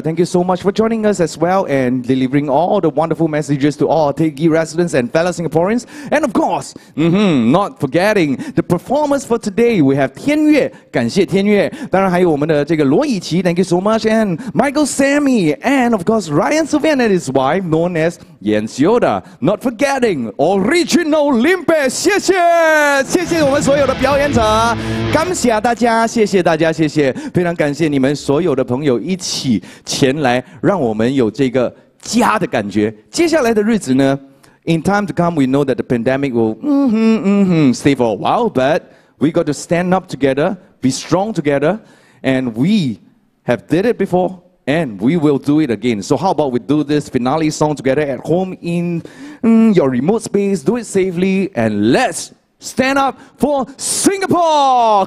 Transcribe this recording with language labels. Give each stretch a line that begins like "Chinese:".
English: Thank you so much for joining us as well and delivering all the wonderful messages to all Teck Ghee residents and fellow Singaporeans. And of course, not forgetting the performers for today. We have
Chinese: 天悦，感谢天悦。当然还有我们的这个罗以琦 ，
English: Thank you so much. And Michael Samy, and of course Ryan Sylvian and his wife, known as YanxYoda. Not forgetting original Limpe.
Chinese: 谢谢我们所有的表演者，感谢大家，谢谢大家，谢谢，非常感谢你们所有的朋友一起前来，让我们有这个。家的感觉。接下来的日子呢
English: ，In time to come, we know that the pandemic will stay for a while, but we got to stand up together, be strong together, and we have did it before, and we will do it again. So how about we do this finale song together at home in your remote space, do it safely, and let's stand up for Singapore!